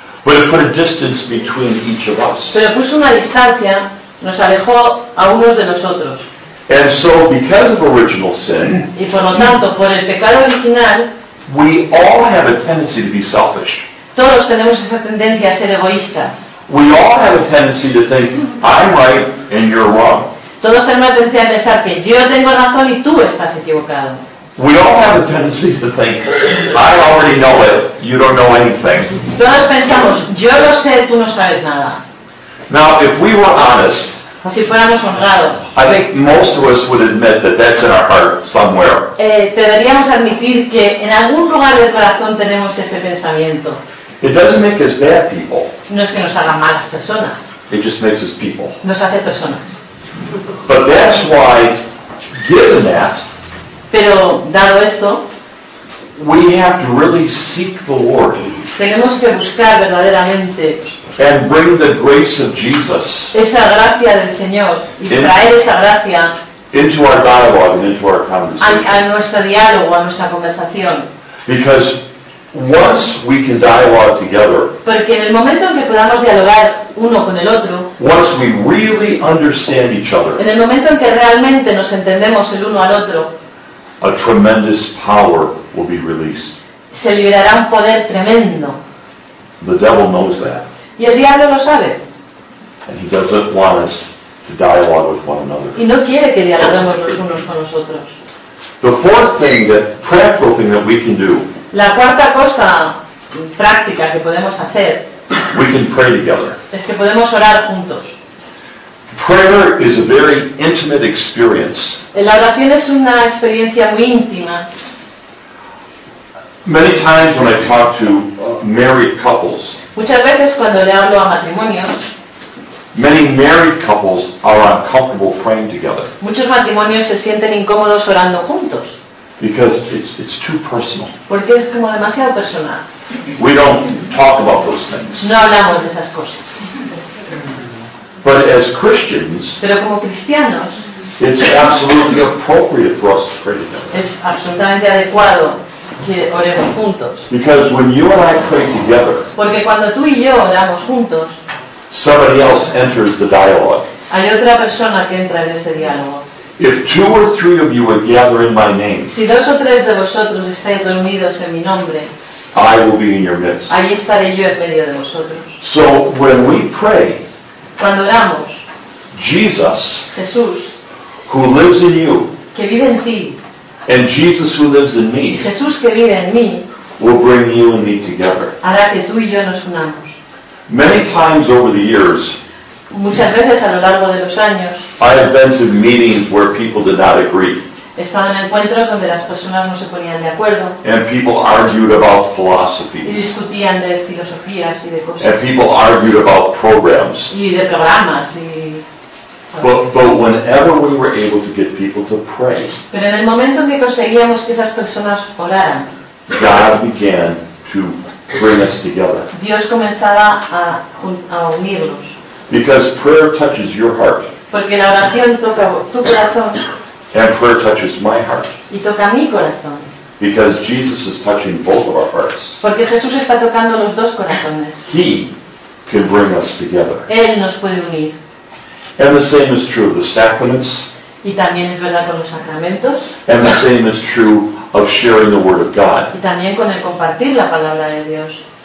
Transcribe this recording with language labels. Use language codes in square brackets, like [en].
[en] But it put a distance between each of us. [es] Pero puso una distancia, nos alejó a unos de los otros. [en] And so, because of original sin, [es] y por lo tanto, por el pecado original, [en] we all have a tendency to be selfish. [es] Todos tenemos esa tendencia a ser egoístas. [en] We all have a tendency to think I'm right and you're wrong. [es] Todos tenemos la tendencia a pensar que yo tengo razón y tú estás equivocado. [en] We all have a tendency to think, I already know it, you don't know anything. [es] Todos pensamos, yo lo sé, tú no sabes nada. [en] Now, if we were honest, [es] si fuéramos honrados, [en] I think most of us would admit that that's in our heart somewhere. [es] Deberíamos admitir que en algún lugar del corazón tenemos ese pensamiento. [en] It doesn't make us bad people. [es] No es que nos hagan malas personas. [en] It just makes us people. [es] Nos hace personas. [en] But that's why, given that, [es] pero dado esto, [en] we have to really seek the Lord. [es] Tenemos que buscar verdaderamente. [en] And bring the grace of Jesus. [es] Esa gracia del Señor y traer esa gracia. [en] Into our dialogue and into our conversation. [es] A nuestro diálogo, a nuestra conversación. [en] Because once we can dialogue together. [es] Porque en el momento en que podamos dialogar uno con el otro. [en] Once we really understand each other. [es] En el momento en que realmente nos entendemos el uno al otro. [en] A tremendous power will be released. [es] Se liberará un poder tremendo. [en] The devil knows that. [es] Y el diablo lo sabe. [en] And he doesn't want us to dialogue with one another. [es] Y no quiere que dialoguemos los unos con los otros. [en] The fourth thing, that practical thing that we can do. [es] La cuarta cosa práctica que podemos hacer. [en] We can pray together. [es] Es que podemos orar juntos. [en] Prayer is a very intimate experience. [es] La oración es una experiencia muy íntima. [en] Many times when I talk to married couples. [es] Muchas veces cuando le hablo a matrimonios. [en] Many married couples are uncomfortable praying together. [es] Muchos matrimonios se sienten incómodos orando juntos. [en] Because it's too personal. [es] Porque es como demasiado personal. [en] We don't talk about those things. [es] No hablamos de esas cosas. [en] But as Christians, [es] pero como cristianos, [en] it's absolutely appropriate for us to pray together. [es] Es absolutamente adecuado que oremos juntos. [en] Because when you and I pray together, [es] porque cuando tú y yo oramos juntos, [en] somebody else enters the dialogue. [es] Hay otra persona que entra en ese diálogo. [en] If two or three of you would gather in my name, [es] si dos o tres de vosotros estáis reunidos en mi nombre, [en] I will be in your midst. [es] Allí estaré yo en medio de vosotros. [en] So when we pray, [es] cuando oramos, [en] Jesus, [es] Jesús, [en] who lives in you, [es] que vive en ti, [en] and Jesus who lives in me, [es] Jesús que vive en mí, [en] will bring you and me together. [es] Hará que tú y yo nos unamos. [en] Many times over the years, [es] muchas veces a lo largo de los años, [en] I have been to meetings where people did not agree. [es] Estaba en encuentros donde las personas no se ponían de acuerdo. [en] And people argued about philosophies. [es] Y discutían de filosofías y de cosas. [en] And people argued about programs. [es] Y de programas. Y... [en] But whenever we were able to get people to pray, [es] pero en el momento en que conseguíamos que esas personas oraran, [en] God began to bring us together. [es] Dios comenzaba a unirlos. [en] Because prayer touches your heart. [es] Porque la oración toca tu corazón. [en] And prayer touches my heart. [es] Y toca mi corazón. [en] Because Jesus is touching both of our hearts. [es] Porque Jesús está tocando los dos corazones. [en] He can bring us together. [es] Él nos puede unir. [en] And the same is true of the sacraments. [es] Y también es verdad con los sacramentos. [en] And the same is true of sharing the Word of God. [es] Y también con el compartir la palabra de Dios.